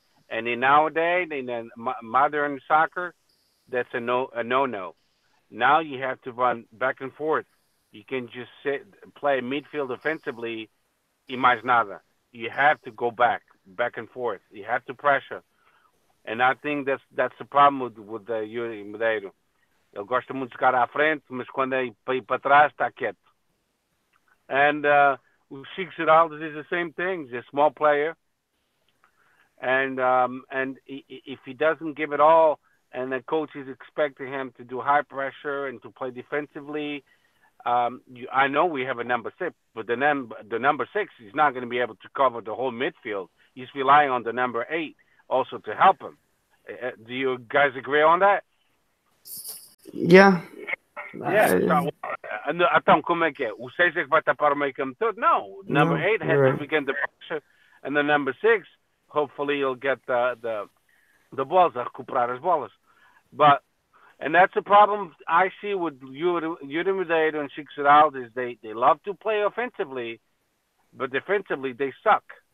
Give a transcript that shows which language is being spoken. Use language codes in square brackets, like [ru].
[en] And in nowadays, in modern soccer, that's a no-no. Now you have to run back and forth. You can just sit, play midfield offensively, [es] y más nada. [en] You have to go back and forth. You have to pressure. And I think that's the problem with Yuri Medeiros. [pt] Eu gosto muito de ficar à frente, mas quando é para ir para trás, está quieto. [en] And Chico Giraldes is the same thing. He's a small player. And if he doesn't give it all, and the coach is expecting him to do high pressure and to play defensively. I know we have a number six, but the number six is not going to be able to cover the whole midfield. He's relying on the number eight also to help him. Do you guys agree on that? Yeah. Yeah. [pt] Então, como é que é? O seis é que vai tapar o meio-campo todo? [en] No. Number eight has to begin the pressure. And the number six, hopefully he'll get the balls, [pt] a recuperar as bolas. [en] But, and that's the problem I see with Yuri Medeiros and Chico Giraldes, is they love to play offensively, but defensively they suck.